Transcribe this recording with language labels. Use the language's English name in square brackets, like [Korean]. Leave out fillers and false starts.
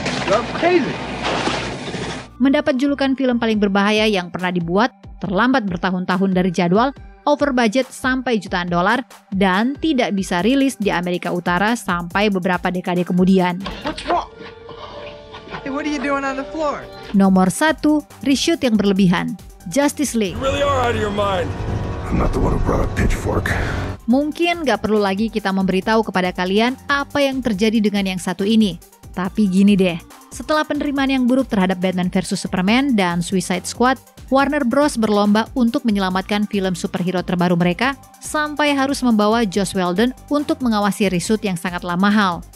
[English] You're crazy! [Indonesian] Mendapat julukan film paling berbahaya yang pernah dibuat, terlambat bertahun-tahun dari jadwal, over budget sampai jutaan dolar, dan tidak bisa rilis di Amerika Utara sampai beberapa dekade kemudian. [English] What's wrong? Hey, what are you doing on the floor? [Indonesian] Nomor 1, reshoot yang berlebihan, Justice League. [English] You really are out of your mind. I'm not the one who brought a pitchfork. [Indonesian] Mungkin nggak perlu lagi kita memberitahu kepada kalian apa yang terjadi dengan yang satu ini. Tapi gini deh, setelah penerimaan yang buruk terhadap Batman vs Superman dan Suicide Squad, Warner Bros. Berlomba untuk menyelamatkan film superhero terbaru mereka sampai harus membawa Joss Whedon untuk mengawasi reshoot yang sangatlah mahal.